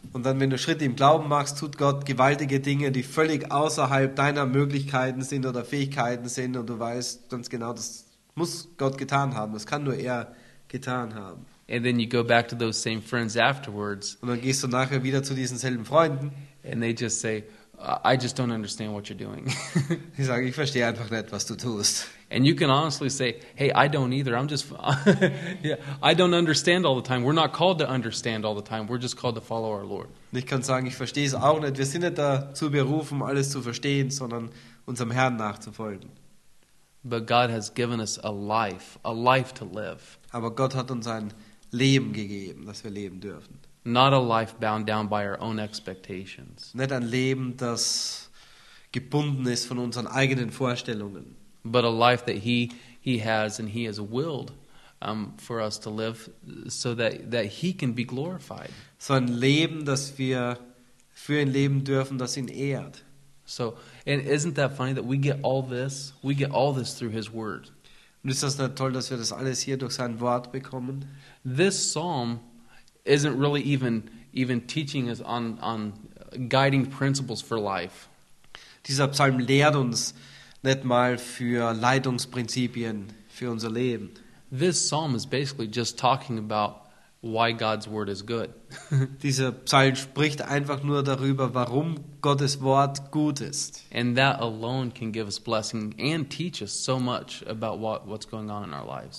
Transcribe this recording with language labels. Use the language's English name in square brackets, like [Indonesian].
[German] Und dann, wenn du Schritte im Glauben machst, tut Gott gewaltige Dinge, die völlig außerhalb deiner Möglichkeiten sind oder Fähigkeiten sind, und du weißt ganz genau, das muss Gott getan haben, das kann nur er getan haben. [English] And then you go back to those same friends afterwards. [German] Und dann gehst du nachher wieder zu diesen selben Freunden. [English] And they just say, I just don't understand what you're doing. [German] Ich sage, ich verstehe einfach nicht, was du tust. [English] And you can honestly say, hey, I don't either. I'm just, yeah, I don't understand all the time. We're not called to understand all the time. We're just called to follow our Lord. [German] Ich kann sagen, ich verstehe es auch nicht. Wir sind nicht dazu berufen, alles zu verstehen, sondern unserem Herrn nachzufolgen. [English] But God has given us a life to live. [German] Aber Gott hat uns ein Leben gegeben, das wir leben dürfen. [English] Not a life bound down by our own expectations. [German] Nicht ein Leben, das gebunden ist von unseren eigenen Vorstellungen. [English] But a life that he has and he has willed for us to live, so that he can be glorified. [German] So ein Leben, das wir für ihn leben dürfen, das ihn ehrt. [English] So, and isn't that funny that we get all this through his word? [German] Und ist das nicht toll, dass wir das alles hier durch sein Wort bekommen? [English] This psalm isn't really even teaching us on guiding principles for life. [German] Dieser Psalm lehrt uns nicht mal für Leitungsprinzipien für unser Leben. [English] This psalm is basically just talking about why God's word is good. [German] Dieser Psalm spricht einfach nur darüber, warum Gottes Wort gut ist. [English] And that alone can give us blessing and teach us so much about what's going on in our lives.